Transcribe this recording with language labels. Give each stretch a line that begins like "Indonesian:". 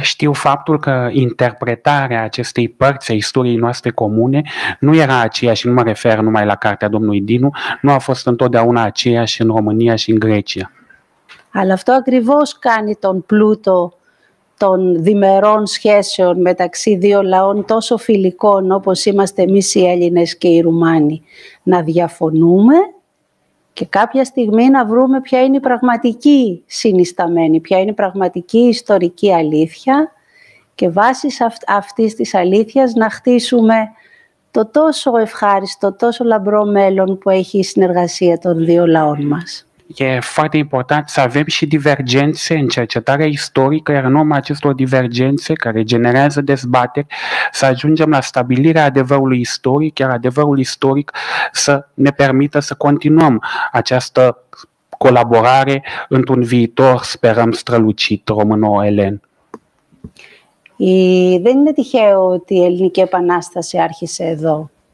Romanian: Știu faptul că interpretarea acestei părți a istoriei noastre comune nu era aceeași, nu mă refer numai la cartea domnului Dinu, nu a fost întotdeauna aceeași în România și în Grecia.
Greek: Αλλά αυτό ακριβώς κάνει τον πλούτο των διμερών σχέσεων μεταξύ δύο λαών τόσο φιλικών όπως είμαστε εμείς οι Έλληνες και οι Ρουμάνοι. Να διαφωνούμε και κάποια στιγμή να βρούμε ποια είναι η πραγματική συνισταμένη, ποια είναι η πραγματική ιστορική αλήθεια και βάσει αυτής της αλήθειας να χτίσουμε το τόσο ευχάριστο, τόσο λαμπρό μέλλον που έχει η συνεργασία των δύο λαών μας.
Romanian: E foarte important să avem și divergențe în cercetarea istorică, iar în urma acestor divergențe care generează dezbateri, să ajungem la stabilirea adevărului istoric, iar adevărul istoric să ne permită să continuăm această colaborare într-un viitor, sperăm, strălucit româno-elen. Și
Greek: δεν είναι τυχαίο ότι η Ελληνική Επανάσταση άρχισε εδώ.